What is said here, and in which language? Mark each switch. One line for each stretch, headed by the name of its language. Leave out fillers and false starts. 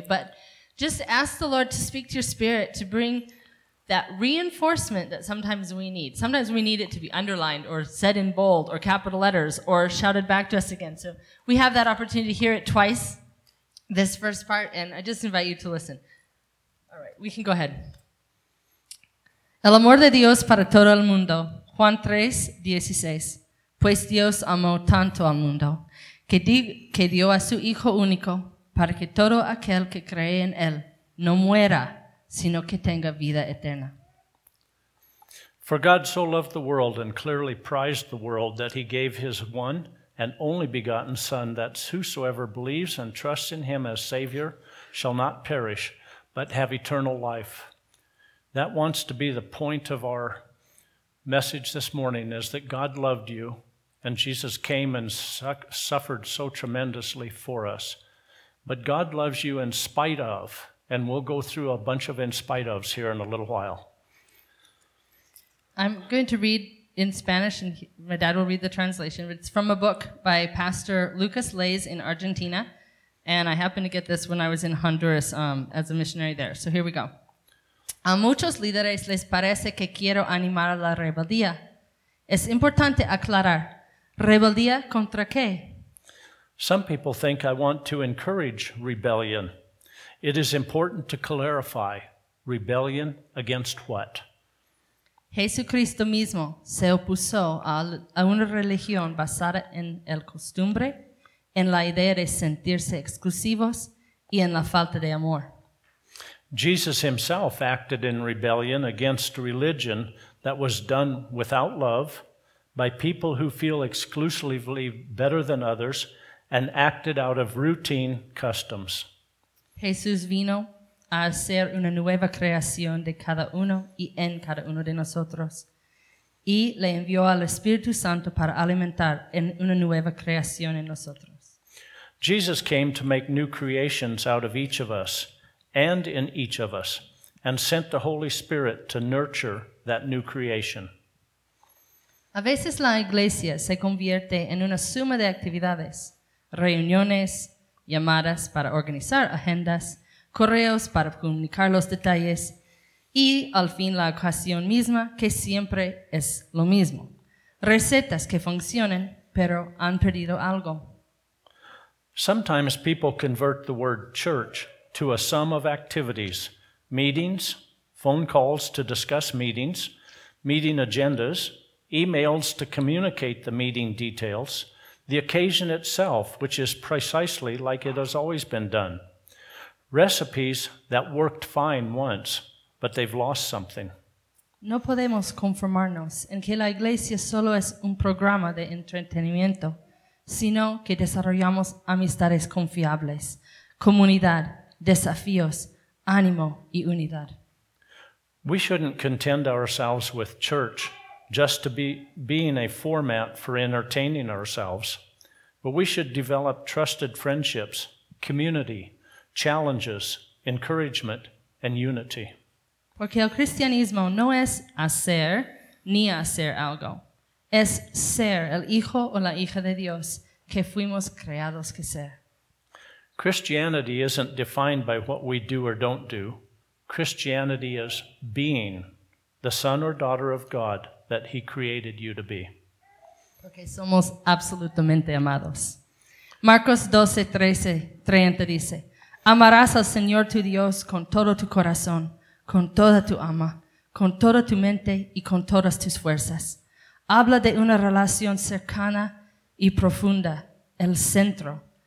English: But just ask the Lord to speak to your spirit to bring that reinforcement that sometimes we need. Sometimes we need it to be underlined or said in bold or capital letters or shouted back to us again. So we have that opportunity to hear it twice, this first part, and I just invite you to listen. All right, we can go ahead.
Spanish: El amor de Dios para todo el mundo. Juan 3:16. Pues Dios amó tanto al mundo que dio a su Hijo único para que todo aquel que cree en él no muera, sino que tenga vida eterna.
English: For God so loved the world and clearly prized the world that he gave his one and only begotten Son, that whosoever believes and trusts in him as Savior shall not perish, but have eternal life. That wants to be the point of our message this morning, is that God loved you and Jesus came and suffered so tremendously for us. But God loves you in spite of, and we'll go through a bunch of in spite ofs here in a little while. I'm going to read in Spanish and my dad will read the translation. It's from a book by Pastor Lucas Lays in Argentina. And I happened to get this when I was in Honduras as a missionary there. So here we go.
Spanish: A muchos líderes les parece que quiero animar a la rebeldía. Es importante aclarar, ¿rebeldía contra qué?
English: Some people think I want to encourage rebellion. It is important to clarify, rebellion against what?
Spanish: Jesucristo mismo se opuso a una religión basada en el costumbre, en la idea de sentirse exclusivos y en la falta de amor.
English: Jesus himself acted in rebellion against religion that was done without love, by people who feel exclusively better than others, and acted out of routine customs.
Spanish: Jesús vino a hacer una nueva creación de cada uno y en cada uno de nosotros, y le envió al Espíritu Santo para alimentar en una nueva creación en nosotros.
English: Jesus came to make new creations out of each of us, and in each of us, and sent the Holy Spirit to nurture that new creation.
Spanish: A veces la iglesia se convierte en una suma de actividades, reuniones, llamadas para organizar agendas, correos para comunicar los detalles, y al fin la ocasión misma, que siempre es lo mismo. Recetas que funcionan, pero han perdido algo.
English: Sometimes people convert the word church to a sum of activities, meetings, phone calls to discuss meetings, meeting agendas, emails to communicate the meeting details, the occasion itself, which is precisely like it has always been done. Recipes that worked fine once, but they've lost something.
Spanish: No podemos conformarnos en que la iglesia solo es un programa de entretenimiento, sino que desarrollamos amistades confiables, comunidad, desafíos, ánimo y unidad.
English: We shouldn't contend ourselves with church just to be being a format for entertaining ourselves, but we should develop trusted friendships, community, challenges, encouragement and unity.
Spanish: Porque el cristianismo no es hacer ni hacer algo. Es ser el hijo o la hija de Dios que fuimos creados que ser.
English: Christianity isn't defined by what we do or don't do. Christianity is being the son or daughter of God that he created you to be.
Spanish: Porque somos absolutamente amados. Marcos 12:30 dice, amarás al Señor tu Dios con todo tu corazón, con toda tu alma, con toda tu mente y con todas tus fuerzas. Habla de una relación cercana y profunda, el centro.